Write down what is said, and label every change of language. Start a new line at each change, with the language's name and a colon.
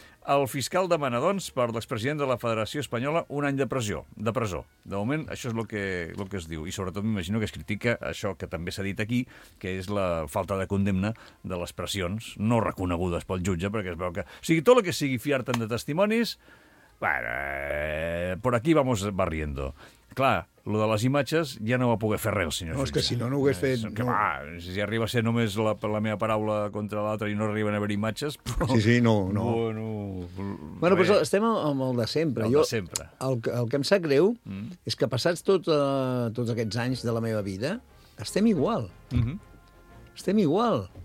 Catalan: El fiscal demana, doncs, per l'expresident de la Federació Espanyola, un any de presó. De moment, això és el que es diu. I, sobretot, m'imagino que es critica això que també s'ha dit aquí, que és la falta de condemna de les pressions no reconegudes pel jutge, perquè es veu que... O sigui, tot el que sigui fiar-te de testimonis...
Spanish: Bueno, por aquí vamos barriendo.
Catalan: Clar, lo de les imatges ja no va poder fer res, senyor. No, és que si no, no ho hagués fet... Que, no. Va, si arriba a ser només la meva paraula contra l'altra i no arriben a haver imatges... Però... Sí, sí, no, no. Bueno, bueno, però estem amb el de sempre. El de sempre. El que em sap greu és que passats tots aquests anys de la meva vida, estem igual. Estem igual.